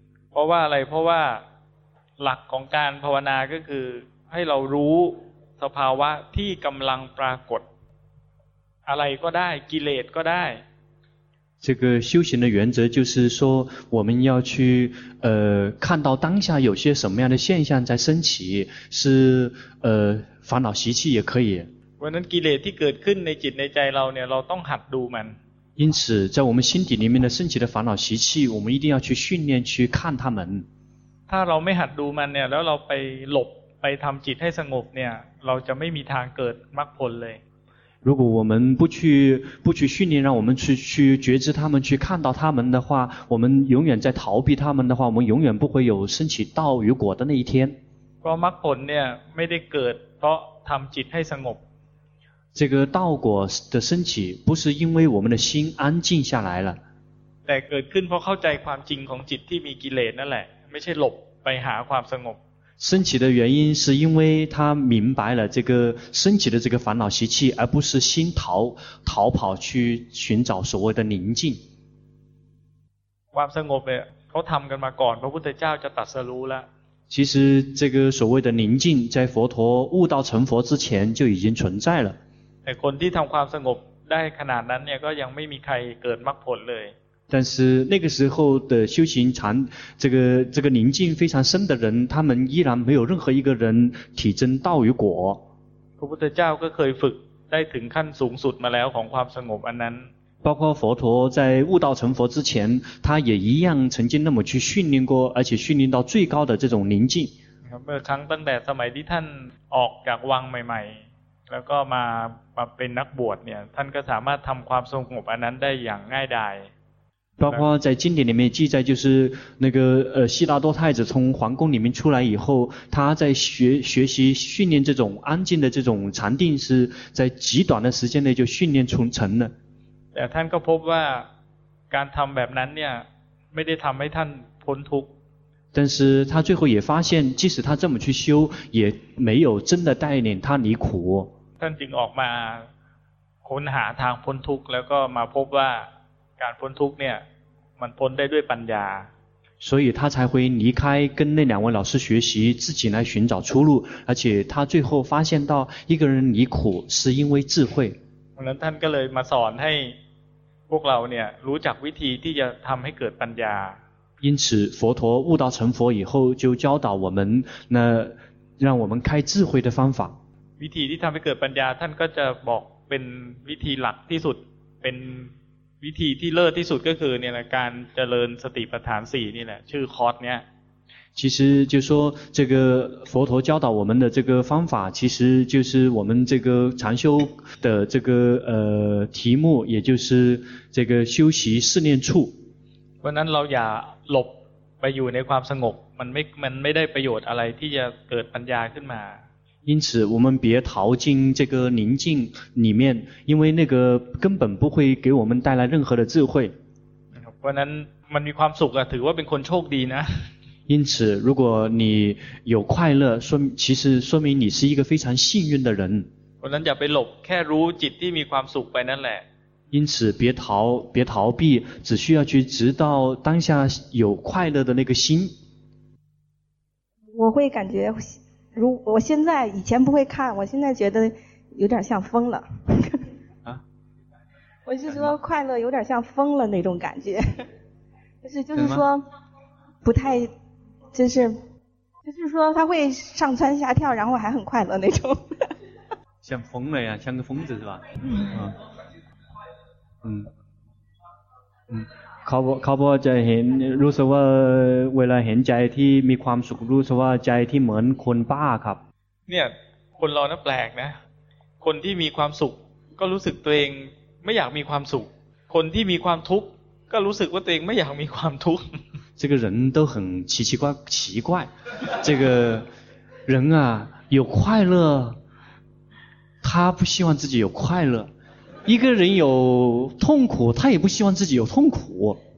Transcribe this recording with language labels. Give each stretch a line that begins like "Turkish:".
Thai: เพราะว่าอะไรเพราะว่าหลักของการภาวนาก็คือให้เรารู้สภาวะที่กำลังปรากฏ อะไรก็ได้กิเลสก็ได้
Chinese: 这个修行的原则就是说我们要去看到当下有些什么样的现象在升起是烦恼习气也可以
Thai: วันนั้นกิเลสที่เกิดขึ้นในจิตในใจเราเนี่ยเราต้องหัดดูมัน
Chinese: 因此在我们心底里面的升起的烦恼习气我们一定要去训练去看它们
Thai: ถ้าเราไม่หัดดูมันเนี่ยแล้วเราไปหลบไปทำจิตให้สงบเนี่ยเราจะไม่มีทางเกิดมรรคผลเลย
Chinese: 如果我们不去训练让我们去觉知它们去看到它们的话我们永远在逃避它们的话我们永远不会有升起道与果的那一天
Thai: เพราะมรรคผลเนี่ยไม่ได้เกิดเพราะทำจิตให้สงบ
Chinese: 这个道果的升起不是因为我们的心安静下来了
Thai: แต่เกิดขึ้นเพราะเข้าใจความจริงของจิตที่มีกิเลสนั่นแหละไม่ใช่หลบไปหาความสงบ
Chinese: 升起的原因是因为他明白了这个升起的这个烦恼习气而不是心逃跑去寻找所谓的宁静
Thai: ความสงบเนี่ยเขาทำกันมาก่อนพระพุทธเจ้าจะตรัสรู้แล้ว
Chinese: 其实这个所谓的宁静在佛陀悟道成佛之前就已经存在了
Thai: แต่คนที่ทำความสงบได้ขนาดนั้นเนี่ยก็ยังไม่มีใครเกิดมรรคผลเลย
Chinese: 但是那个时候的修行禅这个宁静非常深的人他们依然没有任何一个人体证道与果
Thai: พระพุทธเจ้าก็เคยฝึกได้ถึงขั้นสูงสุดมาแล้วของความสงบอันนั้น
Chinese: 包括佛陀在悟道成佛之前他也一样曾经那么去训练过而且训练到最高的这种宁静
Thai: เมื่อครั้งตั้งแต่สมัยที่ท่านออกจากวังใหม่ๆแล้วก็มาเป็นนักบวชเนี่ยท่านก็สามารถทำความสงบอันนั้นได้อย่างง่ายดาย
Chinese: 包括在经典里面记载就是那个悉达多太子从皇宫里面出来以后他在学习训练这种安静的这种禅定是在极短的时间内就训练成了但他就
Thai: พบว่าการทำแบบนั้นเนี่ยไม่ได้ทำให้ท่านพ้นทุกข์
Chinese: 但是他最后也发现即使他这么去修也没有真的带领他离苦
Thai: ท่านจึงออกมาค้นหาทางพ้นทุกข์แล้วก็มาพบว่าการพ้นทุกข์เนี่ยมันพ้นได้ด้วยปัญญา
Chinese: 所以他才会离开跟那两位老师学习自己来寻找出路而且他最后发现到一个人离苦是因为智慧
Thai: เพราะนั้นท่านก็เลยมาสอนให้พวกเราเนี่ยรู้จักวิธีที่จะทำให้เกิดปัญญา
Chinese: 因此佛陀悟道成佛以后就教导我们那让我们开智慧的方法
Thai: วิธีที่ทำให้เกิดปัญญาท่านก็จะบอกเป็นวิธีหลักที่สุดเป็นวิธีที่เลิศที่สุดก็คือเนี่ยการเจริญสติปัฏฐาน4นี่แหละชื่อคอร์สเนี่ย
Chinese: 其实就说这个佛陀教导我们的这个方法其实就是我们这个禅修的这个题目也就是这个修习四念处
Thai: เพราะนั้นเราอย่าหลบไปอยู่ในความสงบมันไม่ได้ประโยชน์อะไรที่จะเกิดปัญญาขึ้นมา
Chinese: 因此我们别逃进这个宁静里面因为那个根本不会给我们带来任何的智慧
Thai: เพราะนั้นมันมีความสุขอะถือว่าเป็นคนโชคดีนะ
Chinese: 因此如果你有快乐其实说明你是一个非常幸运的人
Thai: เพราะนั้นอย่าไปหลบแค่รู้จิตที่มีความสุขไปนั่นแหละ
Chinese: 因此别逃避只需要去直到当下有快乐的那个心我会感觉如我现在以前不会看我现在觉得有点像疯了啊我是说快乐有点像疯了那种感觉就是说不太就是说他会上蹿下跳然后还很快乐那种像疯了呀像个疯子是吧
Thai: เขาบอกจะเห็นรู้สึกว่าเวลาเห็นใจที่มีความสุขรู้สึกว่าใจที่เหมือนคนบ้าครับ เนี่ยคนเรานะแปลกนะคนที่มีความสุขก็รู้สึกตัวเองไม่อยากมีความสุขคนที่มีความทุกข์ก็รู้สึกว่าตัวเองไม่อยากมีความทุกข์
Chinese: 这个人都很奇怪这个人啊有快乐他不希望自己有快乐一个人有痛苦他也不希望自己有痛苦